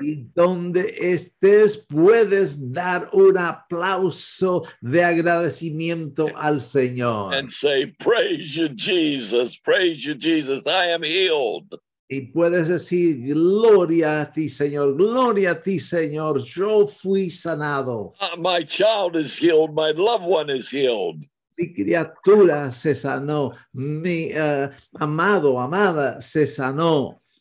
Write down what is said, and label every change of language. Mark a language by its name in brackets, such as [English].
[Spanish] Y donde estés, puedes dar un aplauso de agradecimiento al Señor. [English] And say, praise you, Jesus, I am healed. [Spanish] Y puedes decir, gloria a ti, Señor, yo fui sanado. [English] My child is healed, my loved one is healed. [Spanish] Mi criatura se sanó, mi amado, amada se sanó.